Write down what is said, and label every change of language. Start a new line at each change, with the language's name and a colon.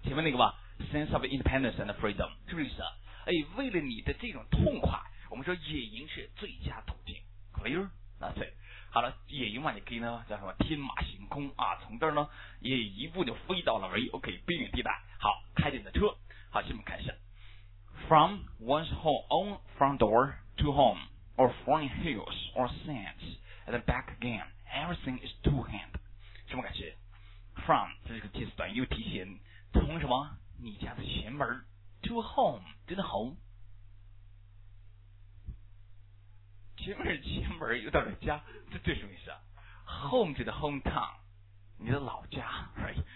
Chinese: 前面那个吧 ，
English: sense of independence and freedom，
Chinese: 是不是意思？哎，为了你的这种痛快，我们说野营是最佳途径 ，clear？那对，好了，野营嘛，你可以呢叫什么天马行空啊，从这儿呢也一步就飞到了 OK 边远地带。好，开着你的车，好，下面看一下
English: ，from one's home own front door to home or foreign hills or sands and back again。 Everything is two hand，
Chinese: 什么感觉 ？From 这是个介词短语，又提前从什么？你家的前门 to home， 真的 home， 前门又到了家，这什么意思啊 ？Home 指的 hometown， 你的老家 ，right？